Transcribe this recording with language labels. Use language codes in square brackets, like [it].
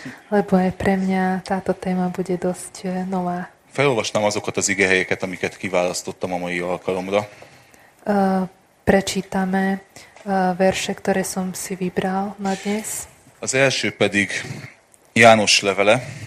[sk] Lebo aj pre mňa táto téma bude dosť nová. [hu] Felolvasnám azokat az igehelyeket, amiket kiválasztottam a mai alkalomra. [sk] Prečítame verše, ktoré som si vybral na dnes. [hu] Az első pedig János levele.